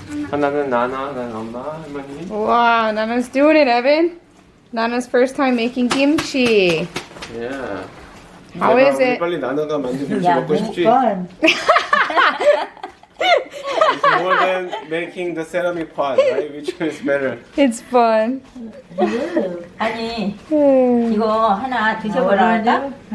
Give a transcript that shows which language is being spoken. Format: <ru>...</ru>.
<ko>하나는 나나, 하나는 엄마, 할머니.</ko> <en>와, Nana's doing it, Evan. Nana's first time making kimchi. Yeah. How is it?</en> <ko>빨리 나나가 만든 김치 먹고 싶지.</ko> <en>It's more than making the ceramic pot, right? Which one is better? It's fun.</en> <ko>아니, 이거 하나 드셔보라 할까?</ko>